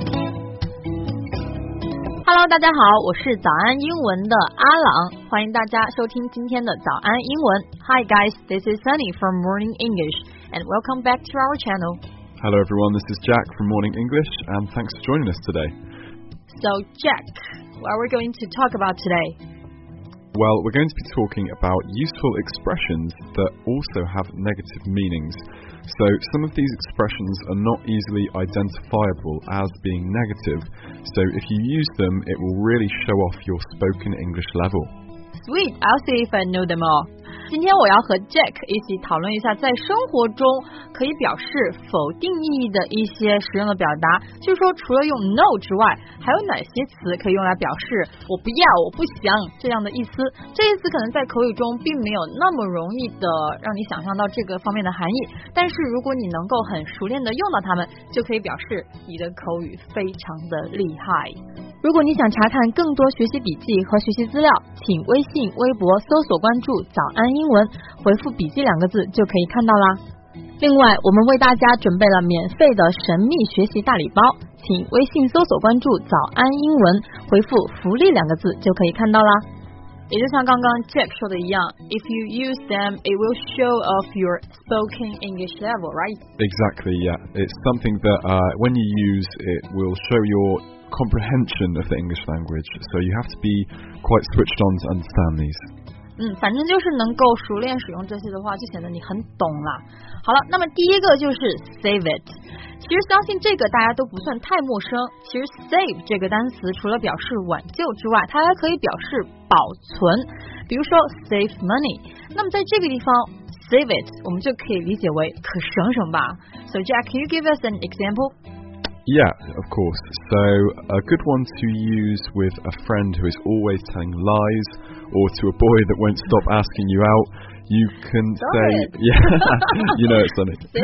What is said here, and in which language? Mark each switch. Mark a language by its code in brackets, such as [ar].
[zh] Hello， 大家好，我是早安英文的阿朗，欢迎大家收听今天的早安英文。 [en] Hi guys, this is Sunny from Morning English, and welcome back to our channel. Hello everyone, this is Jack from Morning English, and thanks for joining us today. So Jack, what are we going to talk about today? Well, we're going to be talking about useful expressions that also have negative meanings. So some of these expressions are not easily identifiable as being negative. So if you use them, it will really show off your spoken English level. Sweet, I'll see if I know them all. [zh] 今天我要和 Jack 一起讨论一下在生活中可以表示否定意义的一些实用的表达。就是说除了用 no 之外，还有哪些词可以用来表示我不要，我不想这样的意思。这些词可能在口语中并没有那么容易的让你想象到这个方面的含义，但是如果你能够很熟练的用到它们，就可以表示你的口语非常的厉害。如果你想查看更多学习笔记和学习资料，请微信微博搜索关注早安英文，回复笔记两个字就可以看到啦。另外我们为大家准备了免费的神秘学习大礼包，请微信搜索关注早安英文，回复福利两个字就可以看到啦。也就像刚刚 Jack 说的一样， [en] If you use them, it will show off your spoken English level, right? Exactly, yeah. It's something that when you use, it will show yourcomprehension of the English language, so you have to be quite switched on to understand these. [zh] 反正就是能够熟练使用这些的话，就显得你很懂了。好了，那么第一个就是 save it。其实相信这个大家都不算太陌生。其实 save 这个单词除了表示挽救之外，它还可以表示保存，比如说 save money。那么在这个地方 save it， 我们就可以理解为可省省吧。 [en] So Jack, can you give us an example? Yeah, of course. So a good one to use with a friend who is always telling lies, or to a boy that won't stop asking you out, you can say, you know it's funny.